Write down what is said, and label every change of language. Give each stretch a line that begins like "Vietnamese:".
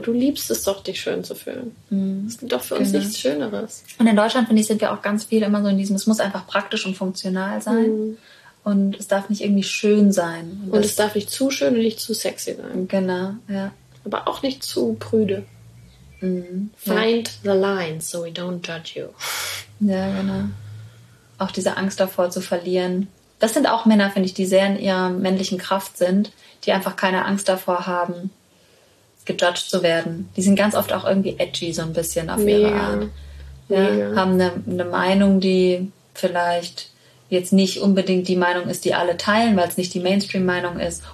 German: Du liebst es doch, dich schön zu fühlen. Mhm. Es gibt doch für uns nichts Schöneres. Und in Deutschland, finde ich, sind wir auch ganz viel immer so in diesem, es muss einfach praktisch und funktional sein. Mhm. Und es darf nicht irgendwie schön sein. Und es darf nicht zu schön und nicht zu sexy sein. Genau, ja. Aber auch nicht zu prüde. Mhm.
English: Find the line, so we don't judge you.
German: Ja, genau. Auch diese Angst davor zu verlieren. Das sind auch Männer, finde ich, die sehr in ihrer männlichen Kraft sind, die einfach keine Angst davor haben, gejudged zu werden. Die sind ganz oft auch irgendwie edgy so ein bisschen auf ihre Art. Ja, haben eine Meinung, die vielleicht jetzt nicht unbedingt die Meinung ist, die alle teilen, weil es nicht die Mainstream-Meinung ist.